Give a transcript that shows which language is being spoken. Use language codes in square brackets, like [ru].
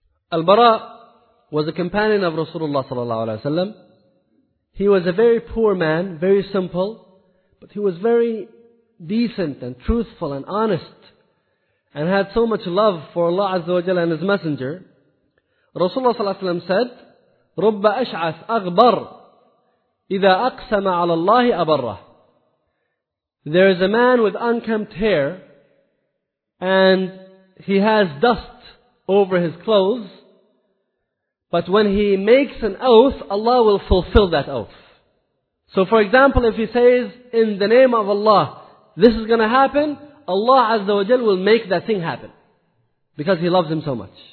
[en] Al-Bara was a companion of Rasulullah sallallahu alayhi wa sallam. He was a very poor man, very simple, but he was very decent and truthful and honest, and had so much love for Allah Azza wa Jalla and His Messenger. [ar] Rasulullah Sallallahu Alaihi Wasallam said, رب أشعث أغبر إذا أقسم على الله أبره. [en] There is a man with unkempt hair, and he has dust over his clothes, but when he makes an oath, Allah will fulfill that oath. So for example, if he says, in the name of Allah, this is going to happen, Allah Azza wa Jal will make that thing happen, because he loves him so much.